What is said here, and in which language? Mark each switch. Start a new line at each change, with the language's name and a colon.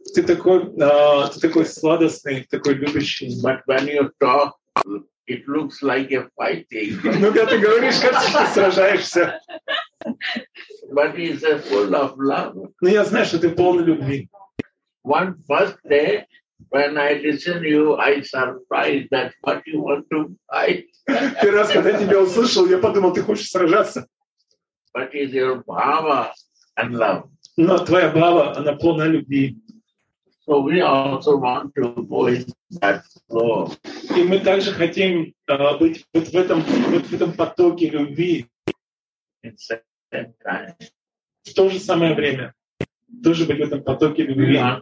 Russian: Ты такой сладостный, такой любящий.
English: But when you talk, it looks like a fighting.
Russian: Ну, когда ты говоришь, кажется, ты сражаешься.
English: But he's full of love.
Russian: Ну, я знаю, что ты полный любви.
English: One first day. When I listen to you, I surprised that what you want to fight.
Russian: Первый раз, когда я тебя услышал, я подумал, ты хочешь сражаться.
English: But is your bhava and love.
Russian: Но твоя бхава, она полна любви.
English: So we also want to go in that flow.
Russian: И мы также хотим быть вот в этом, вот в этом потоке любви.
English: In same time.
Russian: В то же самое время. Тоже быть в этом потоке любви.